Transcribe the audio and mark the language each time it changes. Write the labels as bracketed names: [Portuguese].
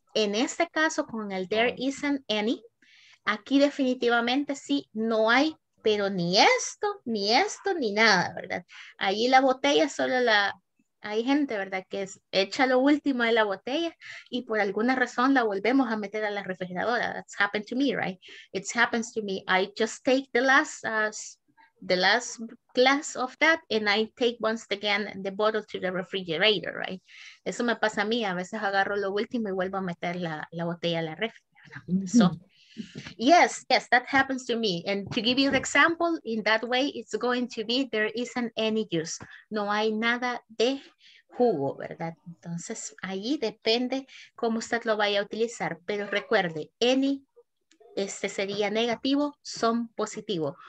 [Spanish] En este caso, con el there isn't any, aquí definitivamente sí, no hay, pero ni esto, ni esto, ni nada, ¿verdad? Allí la botella solo la... Hay gente, ¿verdad?, que es, echa lo último de la botella y por alguna razón la volvemos a meter a la refrigeradora. [English] That's happened to me, right? It happens to me. I just take the last glass of that and I take once again the bottle to the refrigerator, right? [Spanish] Eso me pasa a mí. A veces agarro lo último y vuelvo a meter la botella a la refrigeradora. [English] Mm-hmm. So, yes, yes, that happens to me. And to give you the example, in that way, it's going to be there isn't any juice. [Spanish] No hay nada de jugo, ¿verdad? Entonces, ahí depende cómo usted lo vaya a utilizar. Pero recuerde, any, este sería negativo, some positivo.